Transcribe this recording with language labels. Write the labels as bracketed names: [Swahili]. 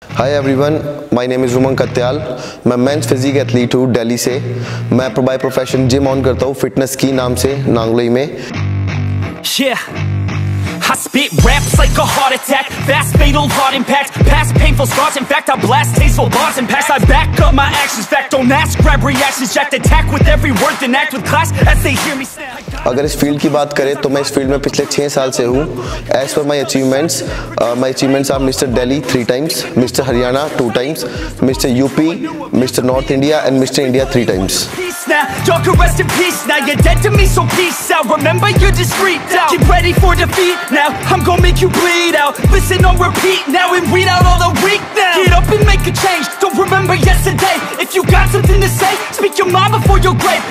[English] Hi everyone, my name is Umang Katyal. [Hindi] मैं [English] men's physique athlete [Hindi] हूँ दिल्ली से. मैं by profession gym on करता हूँ fitness की नाम से नांगलोई में. [English] Yeah. I spit raps like a heart attack, fast fatal heart impact, past painful scars, in fact I blast tasteful bars and pass. I back up my actions, fact don't ask, grab reactions, jacked, attack with every word, then act with class as they hear me snap. [Hindi] अगर इस field की बात करें तो मैं इस field में पिछले 6 साल से हूँ. [English] as per my achievements are [Hindi] mister Delhi 3 times, mister Haryana 2 times, mister UP, mister north India and mister India 3 times. [English] Y'all can rest in peace now. You're dead to me, so peace out. Remember, you're discreet now. Keep ready for defeat now. I'm gonna make you bleed out. Listen on repeat now and weed out all the weak now. Get up and make a change. Don't remember yesterday. If you got something to say, speak your mind before your grave.